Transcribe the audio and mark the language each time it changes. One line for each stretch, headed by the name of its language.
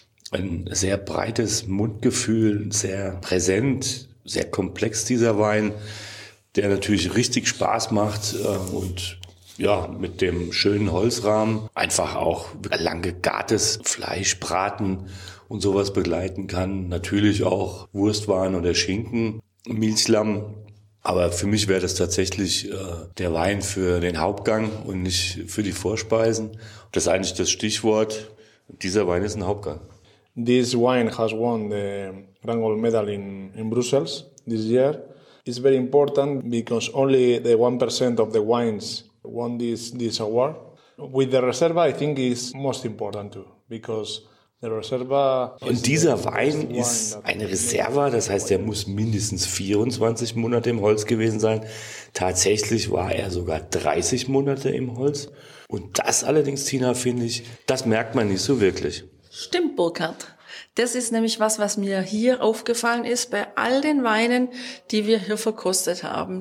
German: Ein sehr breites Mundgefühl, sehr präsent, sehr komplex dieser Wein, der natürlich richtig Spaß macht und ja, mit dem schönen Holzrahmen einfach auch langgegartes Fleisch, Braten und sowas begleiten kann. Natürlich auch Wurstwaren oder Schinken, Milchlamm. Aber für mich wäre das tatsächlich der Wein für den Hauptgang und nicht für die Vorspeisen. Das ist eigentlich das Stichwort, dieser Wein ist ein Hauptgang.
English: This wine has won the Grand Gold Medal in Brussels this year. It's very important because only the 1% of the wines won this award. With the Reserva, I think it's most important too, because the Reserva...
German: Und dieser Wein ist eine Reserva, das heißt, er muss mindestens 24 Monate im Holz gewesen sein. Tatsächlich war er sogar 30 Monate im Holz. Und das allerdings, Tina, finde ich, das merkt man nicht so wirklich. Stimmt, Burkhard. Das ist nämlich was, was mir hier aufgefallen ist bei all den Weinen, die wir hier verkostet haben.